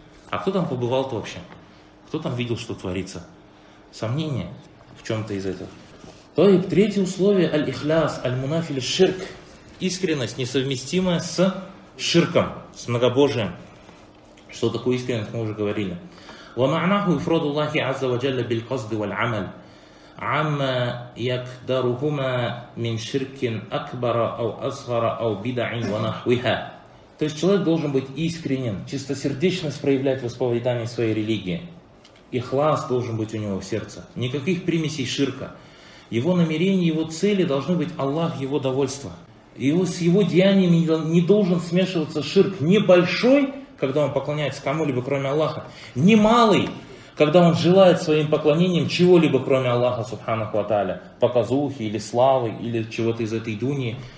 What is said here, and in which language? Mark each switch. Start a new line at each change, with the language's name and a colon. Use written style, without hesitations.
Russian: А кто там побывал-то вообще? Кто там видел, что творится? Сомнения в чем-то из этого. То и третье условие, «Аль-Ихляс», «Аль-Мунафиль Ширк», искренность, несовместимая с ширком, с многобожием. Что такое искренность, мы уже говорили.
Arabic: ومعناه إفراد الله عز وجل بالقصد والعمل عما يقدرهما من شرك أكبر أو أصغر أو بدع ونحوها.
Russian: То есть человек должен быть искренен, чистосердечность проявлять в исповедании своей религии. Ихлас должен быть у него в сердце. Никаких примесей ширка. Его намерения, его цели должны быть Аллах, его довольство. И с его деяниями не должен смешиваться ширк небольшой, когда он поклоняется кому-либо, кроме Аллаха, немалый, когда он желает своим поклонением чего-либо, кроме Аллаха, субханаху ва-та'аля, показухи или славы, или чего-то из этой дунии.